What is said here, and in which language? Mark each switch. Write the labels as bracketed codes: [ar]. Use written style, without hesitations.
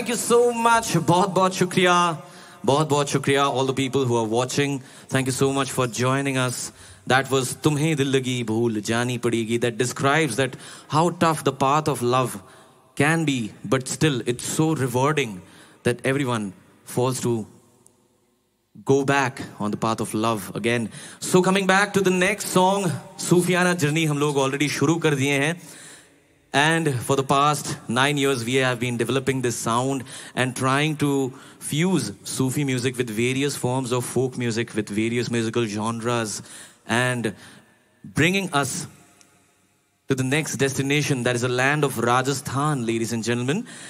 [hi] बहुत-बहुत शुक्रिया, बहुत-बहुत शुक्रिया [en] all the people who are watching. Thank you so much for joining us. That was तुम्हें दिल लगी भूल जानी पड़ेगी. That describes that how tough the path of love can be, but still it's so rewarding that everyone falls to go back on the path of love again. So coming back to the next song, [hi] Sufiyana journey हम लोग already शुरू कर दिए हैं. [en] And for the past 9 years, we have been developing this sound and trying to fuse Sufi music with various forms of folk music, with various musical genres, and bringing us to the next destination, that is the land of Rajasthan, ladies and gentlemen.